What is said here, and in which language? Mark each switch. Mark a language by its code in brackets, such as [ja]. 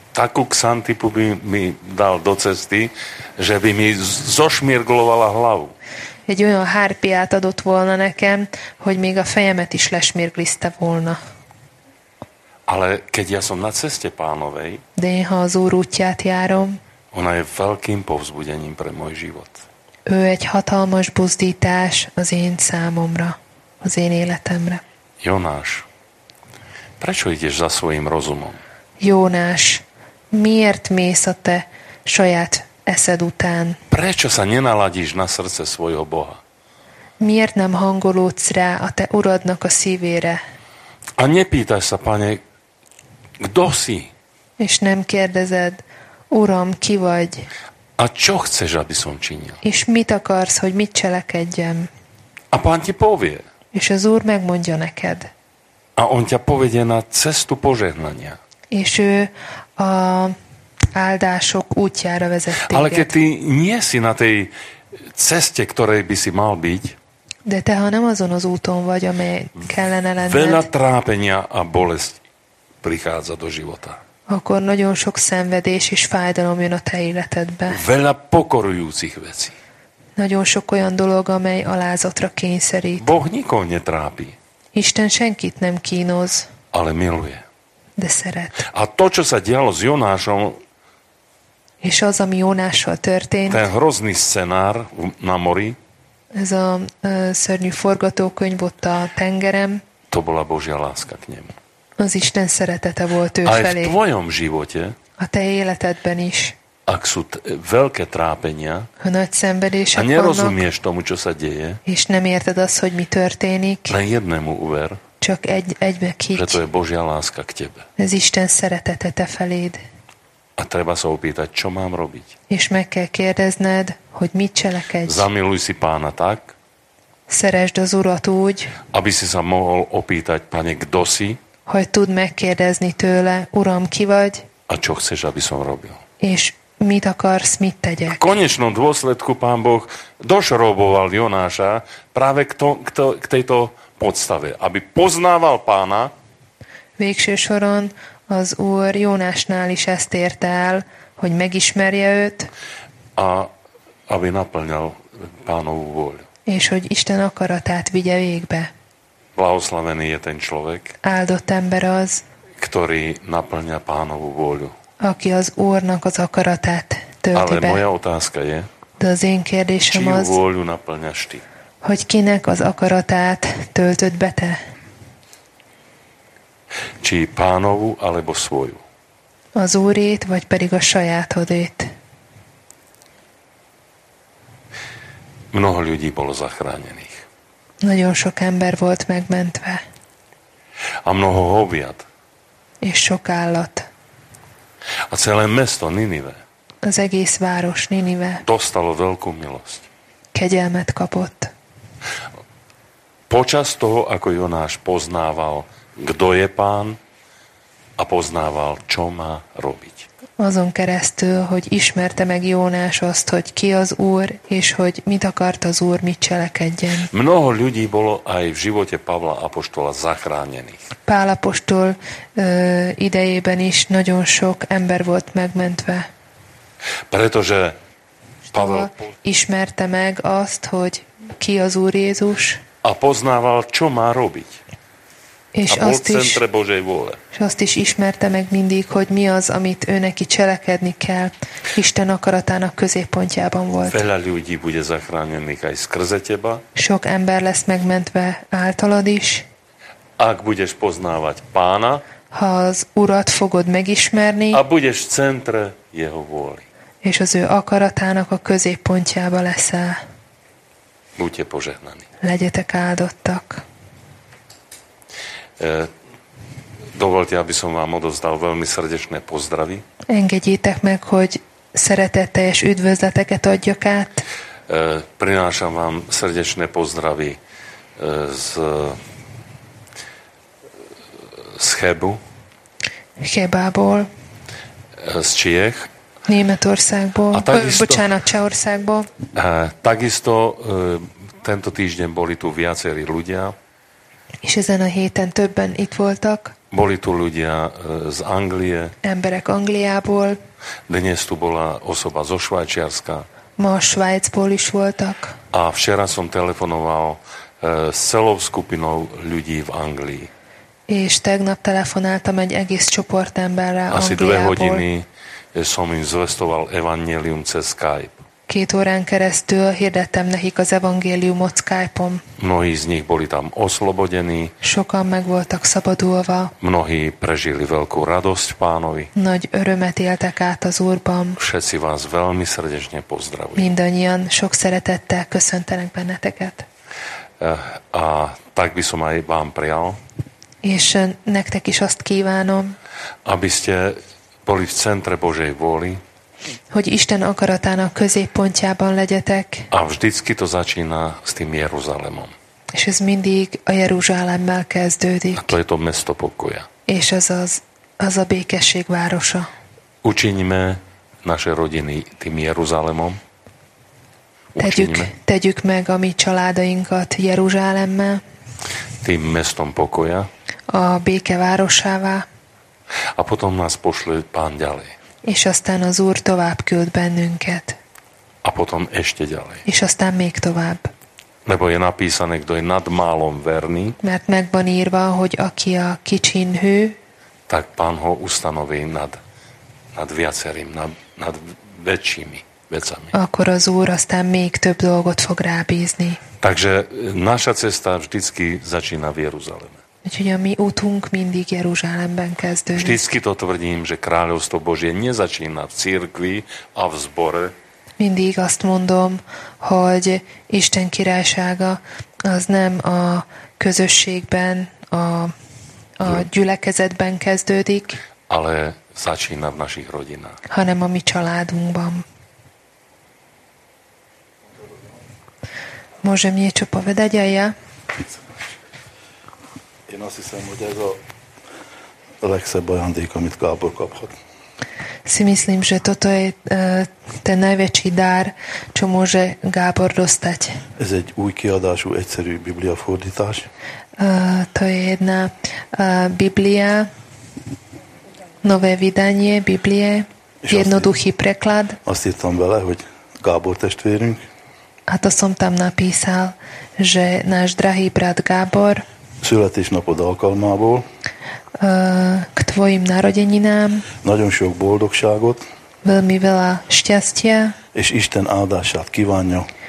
[sk] takú ksantipu by mi dal do cesty, že by mi zošmirglovala hlavu. [hu] Egy olyan hárpiát adott volna nekem, hogy még a fejemet is lesmirgliszte volna. [sk] Ale keď ja som na ceste pánovej, [hu] de én ha az Úr útját járom, [sk] ona je veľkým povzbudením pre môj život. [hu] Ő egy hatalmas buzdítás az én számomra, az én életemre. [sk] Jonáš, prečo ideš za svojim rozumom? [hu] Jonáš, miért mész a te saját eszed után? [sk] Prečo sa nenaladíš na srdce svojho Boha? [hu] Miért nem hangolódsz rá a te uradnak a szívére? [sk] A nepýtaš sa, Pane, kdo si? [hu] És nem kérdezed, Uram, ki vagy? [sk] A čo chceš, aby som činil? [hu] És mit akarsz, hogy mit cselekedjem? [sk] A Pán ti povie. [hu] És az Úr megmondja neked. [sk] A on ťa povedie na cestu požehnania. [hu] És ő a áldások útjára vezet téged. [sk] Ale keď ty nie si na tej ceste, ktorej by si mal byť, [hu] de te, ha nem azon az úton vagy, amely kellene lenned, [sk] veľa trápenia a bolesť prichádza do života. [hu] Akkor nagyon sok szenvedés és fájdalom jön a te életedbe. [sk] Veľa pokorujúcich vecí. [hu] Nagyon sok olyan dolog, amely alázatra kényszerít. [sk] Boh nikoho netrápi. [hu] Isten senkit nem kínoz. [sk] Ale miluje. [hu] De szeret. [sk] A to, čo sa dialo s Jonášom, [hu] és az, ami Jonással történt, [sk] ten hrozný scenár na mori, [hu] ez a szörnyű forgatókönyv ott a tengerem, [sk] to bola Božia láska k nemu. [hu] Az Isten szeretete volt ő a felé. [sk] A v tvojom živote, [hu] a te életedben is, [sk] ak sú veľké trápenia, [hu] ha nagy szenvedések vannak, [sk] a nerozumieš vannak, tomu, čo sa deje, [hu] és nem érted azt, hogy mi történik, [sk] len jednému uver, [hu] csak egybe kíts, [sk] že to je Božia láska k tebe. [hu] Ez Isten szeretete te feléd. [sk] A treba sa opýtať, čo mám robiť. [hu] És meg kell kérdezned, hogy mit cselekedj. [sk] Zamiluj si Pána tak, [hu] szeresd az Urat úgy, [sk] aby si sa mohol opýtať, Pane, kdo si, [hu] hogy tud megkérdezni tőle, Uram, ki vagy, [sk] a čo chceš, aby som robil. [hu] És mit akarsz, mit tegyek. [sk] V konečnom dôsledku Pán Boh došroboval Jonáša práve k tejto podstave, aby poznával Pána. [hu] Végső soron az Úr Jónásnál is ezt érte el, hogy megismerje őt. [sk] A aby naplňal Pánovú vôľu. [hu] És hogy Isten akaratát vigye végbe. [sk] Blahoslavený je ten človek, [hu] áldott ember az, [sk] ktorý naplňa Pánovú vôľu, [hu] aki az Úrnak az akaratát tölti [sk] ale [hu] be. [sk] Ale moja otázka je, [hu] de az én kérdésem az, [sk] vôľu naplňaš ty? [hu] Hogy kinek az akaratát töltöd be te? [sk] Či Pánovú, alebo svoju? [hu] Az Úrét, vagy pedig a sajátodét? [sk] Mnoho ľudí bolo zachránených. [hu] Nagyon sok ember volt megmentve. [sk] A mnoho hoviat. [hu] És sok állat. [sk] A celé mesto Ninive. [hu] Az egész város Ninive. [sk] Dostalo veľkú milosť. [hu] Kegyelmet kapott. [sk] Počas toho, ako Jonáš poznával, kdo je Pán, a poznával, čo má robiť. [hu] Azon keresztül, hogy ismerte meg Jónás azt, hogy ki az Úr, és hogy mit akart az Úr, mit cselekedjen. [sk] Mnoho ľudí bolo aj v živote Pavla apoštola zachránených. [hu] Pál apoštol idejében is nagyon sok ember volt megmentve. [sk] Pretože Pavel [hu] ismerte meg azt, hogy ki az Úr Jézus. [sk] A poznával, čo má robiť. [hu] És [sk] a bol v centre Božej vôle. [hu] És azt is ismerte meg mindig, hogy mi az, amit ő neki cselekedni kell. Isten akaratának középpontjában volt. [sk] Veľa ľudí bude zachránených aj skrze teba. [hu] Sok ember lesz megmentve általad is. [sk] Ak budeš poznávať Pána, [hu] ha az Urat fogod megismerni, [sk] a budeš v centre jeho vôli. [hu] És az ő akaratának a középpontjába leszel. [sk] Buďte požehnaní. [hu] Legyetek áldottak. [sk] Dovolte, aby som vám odovzdal veľmi srdečné pozdravy. [hu] Engedjétek meg, hogy szeretetteljes üdvözleteket adjak át. [sk] Prinášam vám srdečné pozdravy z Chebu. [hu] Chebából. [sk] Z Čiech. [hu] Németországból. Čehországból. [sk] Takisto tento týždeň boli tu viacerí ľudia. [hu] És ezen a héten többen itt voltak. [sk] Boli tu ľudia z Anglie. [hu] Emberek Angliából. [sk] Dnes tu bola osoba zo Švajčiarska. [hu] Ma Švajcból is voltak. [sk] A včera som telefonoval s celou skupinou ľudí v Anglii. [hu] És tegnap telefonáltam egy egész csoportemberre Angliából. [sk] Asi dve hodiny som im zvestoval evangélium cez Skype. [hu] Két órán keresztül hirdettem nekik az evangéliumot Skype-on. [sk] Mnohí z nich boli tam oslobodení. [hu] Sokan meg voltak szabadulva. [sk] Mnohí prežili veľkú radosť Pánovi. [hu] Nagy örömet éltek át az Úrban. [sk] Všetci vás veľmi srdečne pozdravujem. [hu] Mindannyian sok szeretettel köszöntelek benneteket. [sk] A tak by som aj vám prijal. [hu] És nektek is azt kívánom, [sk] aby ste boli v centre Božej vôli, [hu] hogy Isten akaratának középpontjában legyetek, [sk] a vždycky to začína s tým Jeruzsálemom. [hu] És ez mindig a Jeruzsálemmel kezdődik. [sk] A to je to mesto pokoja. [hu] És ez az a békesség városa. [sk] Učiňme naše rodiny tým Jeruzsálemom. [hu] Tegyük meg a mi családainkat Jeruzsálemmel. [sk] Tým mestom pokoja. [hu] A béke városává. [sk] A potom nás pošle Pán ďalej. [hu] És aztán az Úr tovább küld bennünket. [sk] A potom ešte ďalej. [hu] És aztán még tovább. [sk] Lebo je napísané, kto je nad málom verný. [hu] Mert meg van írva, hogy aki a kicsin hű. [sk] Tak Pán ho ustanoví nad viacerým, nad väčšími vecami. [hu] Akkor az Úr aztán még több dolgot fog rábízni. [sk] Takže naša cesta vždycky začína v Jeruzaleme. [hu] Úgyhogy a mi útunk mindig Jeruzsálemben kezdődik. [sk] Vždycky to tvrdím, že kráľovstvo Božie nezačína v cirkvi a v zbore. [hu] Mindig azt mondom, hogy Isten királysága az nem a közösségben, a gyülekezetben kezdődik, [sk] ale začína v našich rodinách. [hu] Hanem a mi családunkban. [sk] Môžem niečo povedať aj ja? [hu] Én azt hiszem, hogy ez a legszebb ajándék, amit Gábor kaphat. [sk] Si myslím, že toto je ten najväčší dár, čo môže Gábor dostať. [hu] Ez egy új kiadású, egyszerű Biblia fordítás. [sk] To je jedna Biblia, nové vydanie Biblie, jednoduchý preklad. [hu] Azt írtam vele, hogy Gábor testvérünk. [sk] A to som tam napísal, že náš drahý brat Gábor [hu] születésnapod alkalmából [sk] k tvojim narodeninám [hu] nagyon sok boldogságot [sk] veľmi veľa šťastia [hu] és Isten áldását kívánja